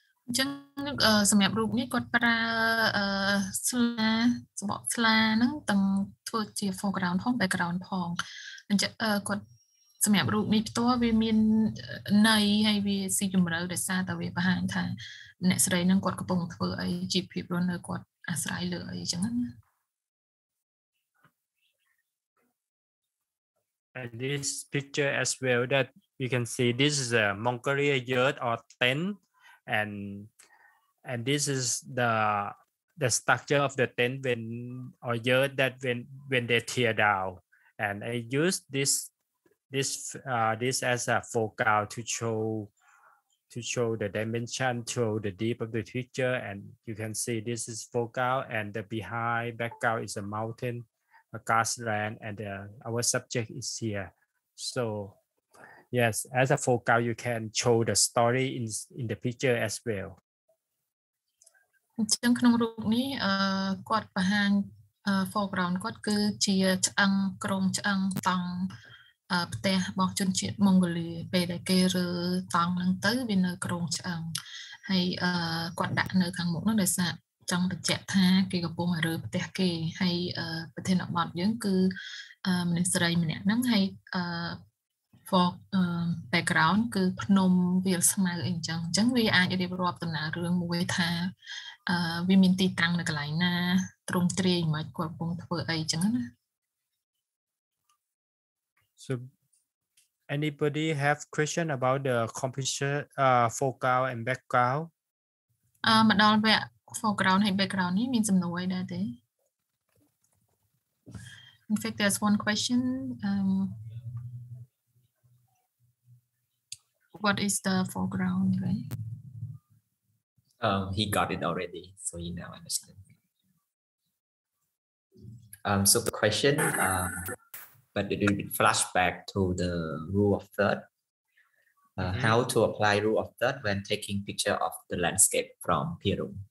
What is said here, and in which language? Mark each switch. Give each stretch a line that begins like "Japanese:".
Khmer: អញ្ចឹងសម្រាប់រូបនេះគាត់ប្រើស្លាសបកស្លាហ្នឹងទាំងធ្វើជា foreground ផង background ផងអញ្ចឹងគាត់សម្រាប់រូបនេះផ្ទាល់វាមានន័យហើយវាស៊ីជម្រៅដោយសារតើវាបង្ហាញថាអ្នកស្រីហ្នឹងគាត់កំពុងធ្វើអីជីវភាពរបស់នៅគាត់អាស្រ័យលើអីអញ្ចឹងណា
English: And this picture as well that we can see this is a Mongolia yurt or tentand this is the structure of the tent when or yurt that when they tear down and I use this as a foreground to show the dimension to the deep of the picture and you can see this is foreground and the behind background is a mountain a grassland and our subject is here soYes, as a foreground, you can show the story in the picture as well.
Khmer: ចឹងក្នុងរូបនេះគាត់បង្ហាញ foreground គាត់គឺជាឆ្អឹងក្រុមឆ្អឹងតង់ផ្ទះរបស់ជនជាតិម៉ុងហ្គោលីពេលដែលគេរើតង់ហ្នឹងទៅវានៅក្រុមឆ្អឹងហើយគាត់ដាក់នៅខាងមុខនោះដោយសារចង់បញ្ជាក់ថាគេកំពុងរើផ្ទះគេហើយប្រធានបទយើងគឺមនុស្សស្រីម្នាក់ហ្នឹងហើយ for background គឺភ្នំវាលស្មៅអីចឹងអញ្ចឹងវាអាចរៀបរាប់ដំណើររឿងមួយថាវាមានទីតាំងនៅកន្លែងណាត្រង់ត្រីហ្មងគាត់កំពុងធ្វើអីអញ្ចឹងណា
English: So anybody have question about the composition foreground and background
Khmer: មកដល់វគ្គ foreground ហើយ background នេះមានសំណួរអីដែរទេ
English: In fact there's one question What is the foreground, right? He got it already, so you now understand. So the question, but it will be flashback to the rule of third. How to apply rule of third when taking picture of the landscape from Peru?